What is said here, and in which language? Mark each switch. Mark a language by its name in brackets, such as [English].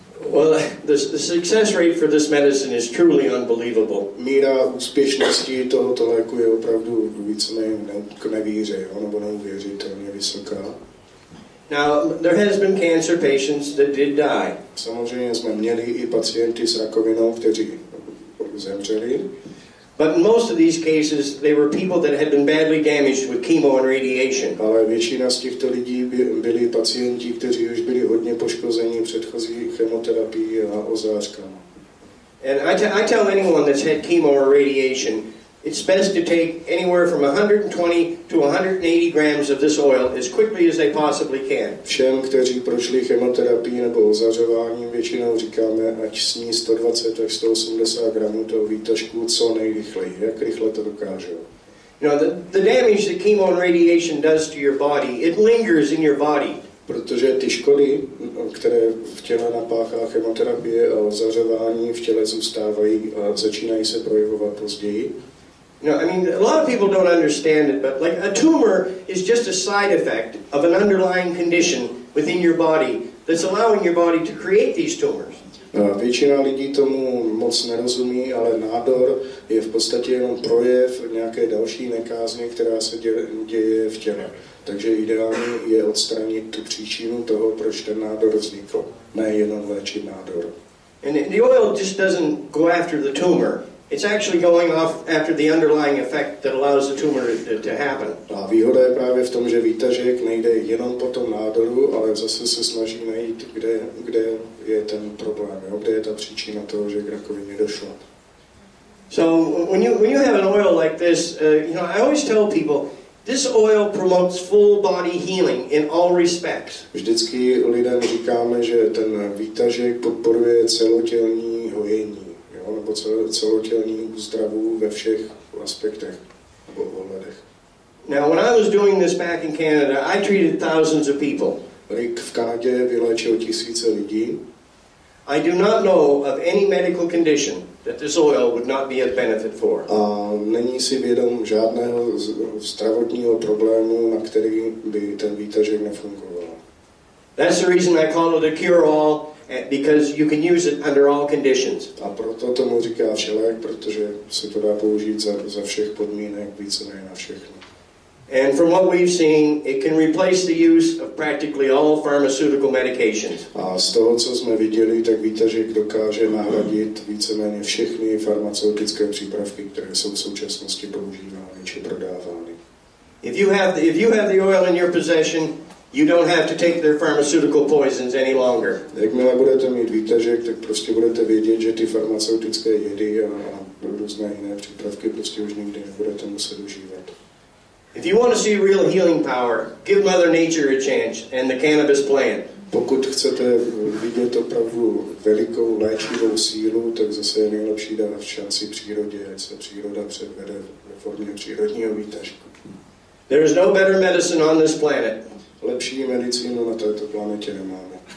[English] Well, the success rate for this medicine is truly unbelievable. [Czech] Míra úspěšnosti tohoto léku je opravdu víceméně k nevíře, ono bylo neuvěřitelně vysoká. [English] Now there has been cancer patients that did die. [Czech] Samozřejmě jsme měli i pacienty s rakovinou, kteří zemřeli. [English] But in most of these cases they were people that had been badly damaged with chemo and radiation. [Czech] Ale většina z těchto lidí byli pacienti, kteří už byli hodně poškození předchozí chemoterapií a ozářkama. [English] And I tell anyone that's had chemo or radiation, it's best to take anywhere from 120 to 180 grams of this oil as quickly as they possibly can. [Czech] Všem, kteří prošli chemoterapii nebo ozařováním, většinou říkáme, ať sní 120 až 180 gramů toho výtažku co nejrychleji. Jak rychle to dokážou? [English] You know, the damage that chemo and radiation does to your body, it lingers in your body. [Czech] Protože ty škody, které v těle napáchá chemoterapie a ozařování, v těle zůstávají a začínají se projevovat později. [English] No, I mean, a lot of people don't understand it, but like a tumor is just a side effect of an underlying condition within your body that's allowing your body to create these tumors. [Czech] Většina lidí tomu moc nerozumí, ale nádor je v podstatě jenom projev nějaké další nekázně, která se děje v těle. Takže ideální je odstranit tu příčinu toho, proč ten nádor vznikl, ne jenom léčit nádor. [English] And the oil just doesn't go after the tumor. It's actually going off after the underlying effect that allows the tumor to happen. [Czech] A výhoda je právě v tom, že výtažek nejde jenom po tom nádoru, ale zase se snaží najít, kde je ten problém, jo? Kde je ta příčina toho, že k rakovině došlo. [English] So when you have an oil like this, you know, I always tell people, this oil promotes full body healing in all respects. [Czech] Vždycky lidem říkáme, že ten výtažek podporuje celotělní hojení. Nebo celotělní zdravu ve všech aspektech nebo ohledech. [English] Now when I was doing this back in Canada, I treated thousands of people. [Czech] Rick v Kanadě vyléčil tisíce lidí. [English] I do not know of any medical condition that this oil would not be a benefit for. [Czech] A není si vědom žádného zdravotního problému, na který by ten výtažek nefungoval. [English] That's the reason I call it a cure-all. Because you can use it under all conditions. [Czech] A proto tomu říká všelék, protože se to dá použít za všech podmínek, víceméně na všechno. [English] And from what we've seen, it can replace the use of practically all pharmaceutical medications. [Czech] A z toho, co jsme viděli, tak výtažek dokáže nahradit víceméně všechny farmaceutické přípravky, které jsou v současnosti používány či prodávány. [English] If you have the oil in your possession, you don't have to take their pharmaceutical poisons any longer. [Czech] Jakmile budete mít výtažek, tak prostě budete vědět, že ty farmaceutické jedy a různé jiné přípravky prostě už nikdy nebudete muset užívat. [English] If you want to see real healing power, give Mother Nature a chance and the cannabis plant. [Czech] Pokud chcete vidět opravdu velikou léčivou sílu, tak zase je nejlepší dát šanci přírodě, ať se příroda předvede ve formě přírodního výtažku. [English] There is no better medicine on this planet. [Czech] Lepší medicínu na této planetě nemáme.